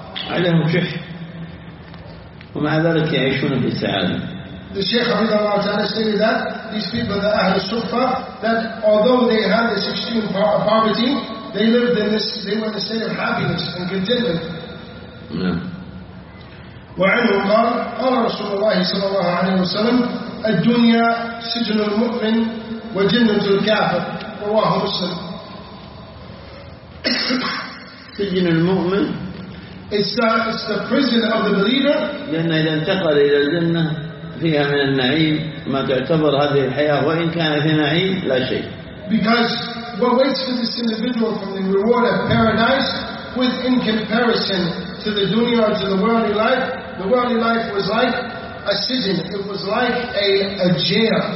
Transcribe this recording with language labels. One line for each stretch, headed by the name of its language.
Arabic: عليهم شح ومع ذلك يعيشون في سعادة.
English: The Shaykh Hafiz Allah Ta'ala stated that these people, the Ahl al-Sufa, that although they had this extreme poverty, they lived in this, they were in a state of happiness and contentment.
Arabic: وعنه قال قال رسول الله صلى الله عليه وسلم الدنيا سجن المؤمن وجنة الكافر رواه مسلم. سجن المؤمن.
English: It's the prison of the believer.
Arabic: لأن إذا انتقل إلى الجنة فيها من النعيم ما تعتبر هذه الحياة وإن كانت نعيم لا شيء.
English: Because what waits for this individual from the reward of paradise was in comparison to the dunya or to the worldly life. The worldly life was like a prison. It was like a jail.